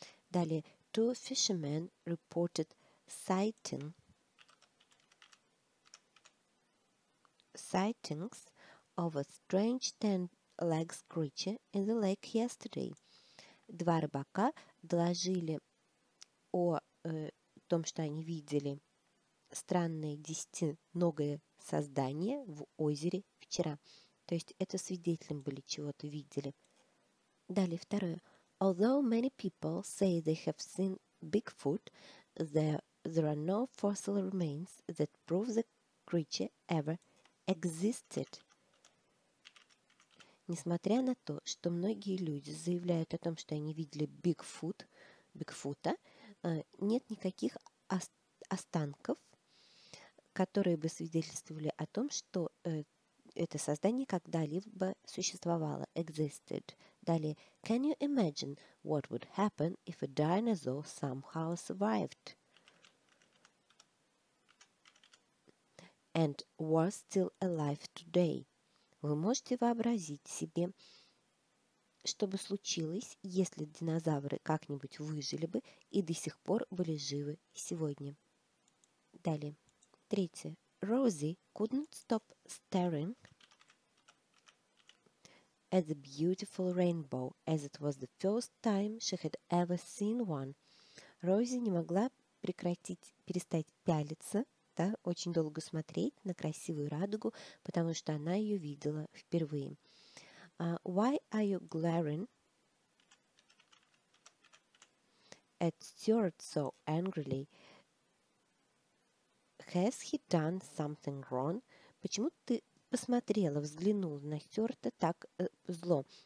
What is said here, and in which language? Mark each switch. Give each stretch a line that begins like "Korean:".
English: Далее, two fishermen reported sightings of a strange ten-legged creature in the lake yesterday.
Russian: Два рыбака доложили о том, что они видели странное десятиногое создание в озере вчера. То есть это свидетелем были, чего-то видели. Далее второе.
English: Although many people say they have seen Bigfoot, there are no fossil remains that prove the creature ever existed.
Russian: Несмотря на то, что многие люди заявляют о том, что они видели Бигфута, нет никаких останков, которые бы свидетельствовали о том, что это создание когда-либо существовало, existed.
English: Далее, can you imagine what would happen if a dinosaur somehow survived? And was still alive today?
Russian: Вы можете вообразить себе, что бы случилось, если динозавры как-нибудь выжили бы и до сих пор были живы сегодня. Далее. Третье.
English: Rosie couldn't stop staring at the beautiful rainbow, as it was the first time she had ever seen one.
Russian: Rosie не могла перестать пялиться, да, очень долго смотреть на красивую радугу, потому что она ее видела впервые.
English: Why are you glaring at Stuart so angrily? Has he done something wrong?
Russian: Почему ты взглянула на Стюарта так зло?